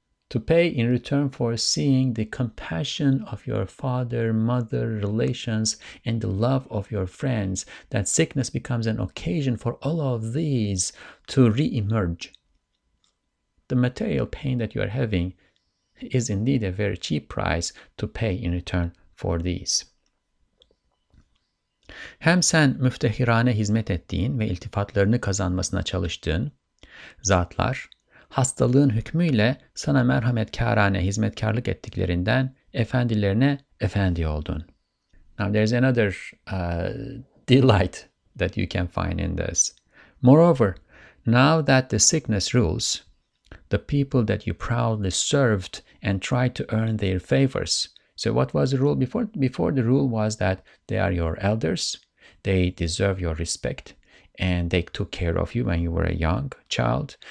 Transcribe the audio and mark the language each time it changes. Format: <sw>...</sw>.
<en>To pay in return for seeing the compassion of your father, mother, relations, and the love of your friends, that sickness becomes an occasion for all of these to re-emerge. The material pain that you are having is indeed a very cheap price to pay in return for these.</en> <tr>Hem sen müftehirane hizmet ettiğin ve iltifatlarını kazanmasına çalıştığın zatlar, hastalığın hükmüyle sana merhametkârane hizmetkarlık ettiklerinden efendilerine efendi oldun.</tr> <en>Now there's another delight that you can find in this. Moreover, now that the sickness rules, the people that you proudly served and tried to earn their favors. So what was the rule before? Before, the rule was that they are your elders, they deserve your respect, and they took care of you when you were a young child.</en>